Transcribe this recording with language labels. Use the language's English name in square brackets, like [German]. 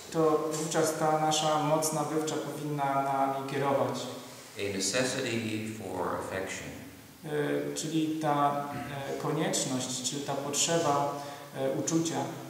[Polish] To wówczas ta nasza moc nabywcza powinna nami kierować. [English] A necessity for affection. [Polish] Czyli ta konieczność, czy ta potrzeba uczucia.